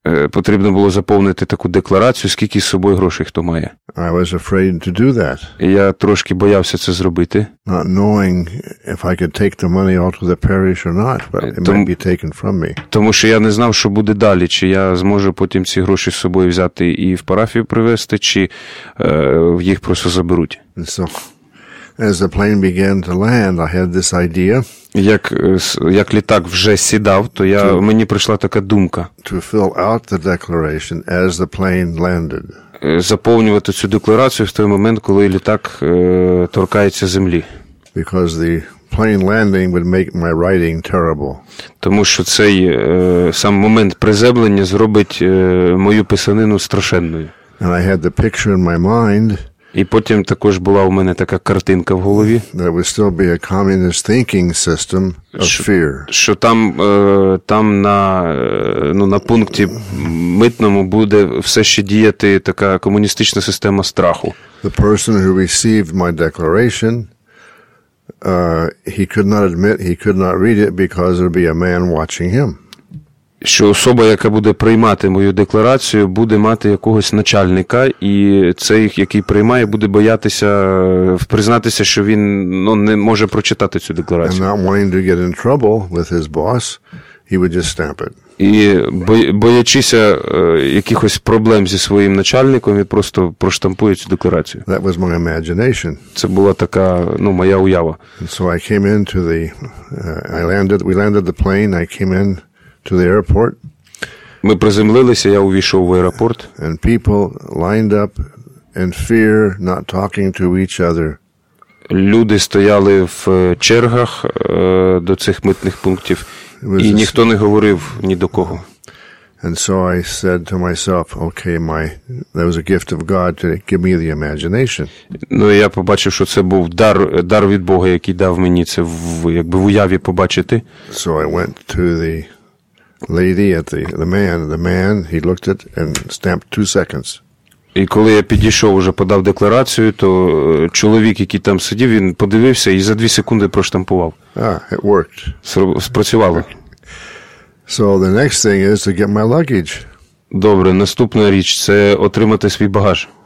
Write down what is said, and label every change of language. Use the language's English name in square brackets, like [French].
[Ukrainian] Потрібно було заповнити таку декларацію, скільки з собою грошей хто має. [English] I was afraid to do that. [Ukrainian] Я трошки боявся це зробити. [English] Not knowing if I could take the money all to the parish or not, but it might be taken from me. [Ukrainian] Тому що я не знав, що буде далі, чи я зможу потім ці гроші з собою взяти і в парафію привезти, чи їх просто заберуть. [English] And so, as the plane began to land, I had this idea. [Ukrainian] Як літак вже сідав, то мені прийшла така думка. [English] To fill out the declaration as the plane landed. [Ukrainian] заповнювати цю декларацію в той момент, коли літак торкається землі. [English] Because the plane landing would make my writing terrible. [Ukrainian] Тому що цей сам момент приземлення зробить мою писанину страшенною. [English] And I had the picture in my mind. [Ukrainian] І потім також була у мене така картинка в голові. [English] There would still be a communist thinking system of fear. [Ukrainian] Що там там на ну на пункті митному буде все ще діяти така комуністична система страху. [English] The person who received my declaration he could not admit, he could not read it because there'd be a man watching him. [Ukrainian] Що особа, яка буде приймати мою декларацію, буде мати якогось начальника, і цей, який приймає, буде боятися признатися, що він ну, не може прочитати цю декларацію. [English] And not wanting to get in trouble with his boss, he would just stamp it. [Ukrainian] І боячися якихось проблем зі своїм начальником, він просто проштампує цю декларацію. [English] That was my imagination. [Ukrainian] Це була така, ну, моя уява. [English] And so I came into the we landed the plane, I came in to the airport. [Ukrainian] Ми приземлилися, я увійшов в аеропорт. [English] And people lined up in fear, not talking to each other. [Ukrainian] Люди стояли в чергах до цих митних пунктів. І ніхто не говорив ні до кого. [English] And so I said to myself, okay, that was a gift of God to give me the imagination. [Ukrainian] Ну, я побачив, що це був дар від Бога, який дав мені це якби в уяві побачити. [English] So I went to the lady at the man, he looked at and stamped 2 seconds. [Ukrainian] І коли я підійшов, уже подав декларацію, то чоловік, який там сидів, він подивився і за 2 секунди проштампував. [English] Ah, it worked. [Ukrainian] Спрацювало. [English] So the next thing is to get my luggage. [Ukrainian] Добре, наступна річ – це отримати свій багаж.